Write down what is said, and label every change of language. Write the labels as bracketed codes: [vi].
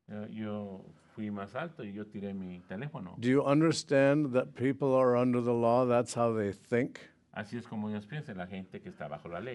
[es] Yo fui más alto y yo tiré mi teléfono. [en] Do you understand that people are under the law? That's how they think. [es] Así es como ellos piensan, la gente que está bajo la ley.